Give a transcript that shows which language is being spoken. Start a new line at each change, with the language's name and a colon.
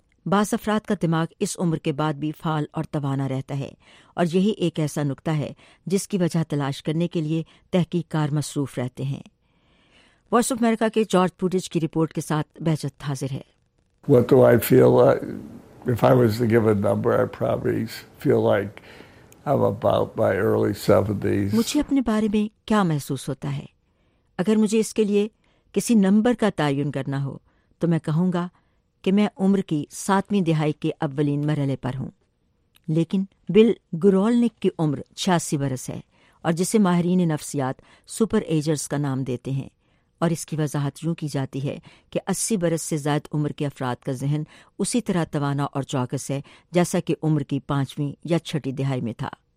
Urdu: بعض افراد کا دماغ اس عمر کے بعد بھی فعال اور توانا رہتا ہے، اور یہی ایک ایسا نقطہ ہے جس کی وجہ تلاش کرنے کے لیے تحقیقکار مصروف رہتے ہیں۔ وائس آف امریکہ کے جارج پوٹج کی رپورٹ کے ساتھ بہجت حاضر ہے۔
English: What do I feel like? If I was to give a number, I'd probably feel like I'm about my early 70s.
Urdu: مجھے اپنے بارے میں کیا محسوس ہوتا ہے؟ اگر مجھے اس کے لیے کسی نمبر کا تعین کرنا ہو تو میں کہوں گا کہ میں عمر کی 7ویں دہائی کے اولین مرحلے پر ہوں۔ لیکن بل گرولنک کی عمر 86 برس ہے، اور جسے ماہرین نفسیات سپر ایجرز کا نام دیتے ہیں، اور اس کی وضاحت یوں کی جاتی ہے کہ 80 برس سے زائد عمر کے افراد کا ذہن اسی طرح توانا اور چوکس ہے جیسا کہ عمر کی 5ویں یا 6ویں دہائی میں تھا۔